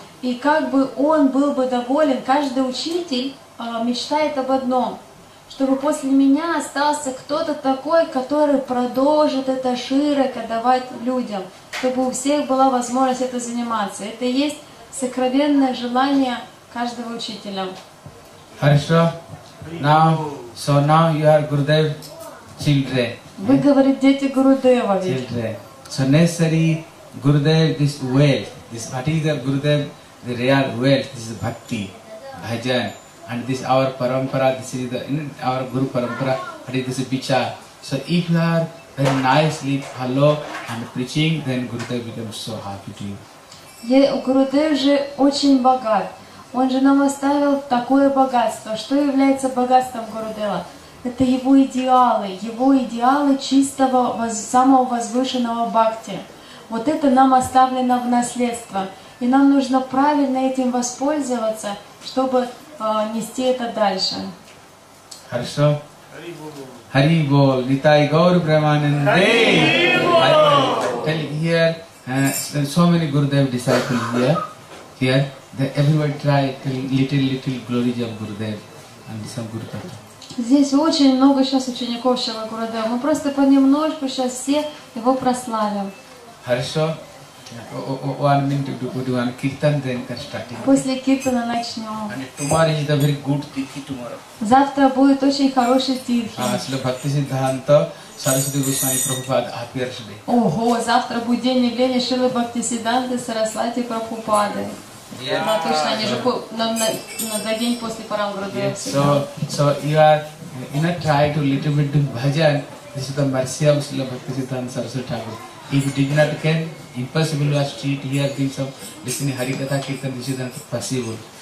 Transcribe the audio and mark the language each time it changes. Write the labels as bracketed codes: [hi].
[ru] И как бы он был бы доволен, каждый учитель мечтает об одном, чтобы после меня остался кто-то такой, который продолжит это широко давать людям, чтобы у всех была возможность это заниматься. Это и есть сокровенное желание каждого учителя. Хорошо. [en] Now, so now you are Gurudev children. [ru] Вы, говорит, дети Гурудева. [en] Children. So necessary Gurudev, this wealth, this material Gurudev, the real wealth, this is bhakti, bhajan. And this our parampara, this is the, you know, our guru parampara, and this is vichar. So if you are very nicely follow and preaching, then Gurudev becomes so happy to you. [ru] Yeah, Gurudev же очень богат. Он же нам оставил такое богатство. Что является богатством Гурудева? Это его идеалы. Его идеалы чистого, самого возвышенного бхакти. Вот это нам оставлено в наследство. И нам нужно правильно этим воспользоваться, чтобы нести это дальше. Хорошо. [sa] Hari Bol, [ru] Nitai Gaur Brahmanande. [sa] Hari Bol. [en] Tell here, so many Gurudev disciples here. They everyone try little glories of Gurudev and some Guru Tattva. [ru] Здесь очень много сейчас учеников Шрилы Гурудева. Мы просто понемножку сейчас все его прославим. Хорошо. [en] One minute to put one kirtan, then can start. [ru] После киртана начнем. [en] And tomorrow is the very good tirthi tomorrow. [ru] Завтра будет очень хороший тирхи. [en] Шрила Бхакти Сиддханта Сарасвати Госвами Прабхупада appears today. [ru] Ого, завтра будет день явления Шрилы Бхакти Сиддханты Сарасвати Прабхупады. [en] So you are, you know, try to little bit do bhajan. This is the mercy of Srila Bhakti Siddhanta Saraswati Thakur. If you did not can, impossible was to eat here, drink some, listen Harikatha Kirtan, this is not possible.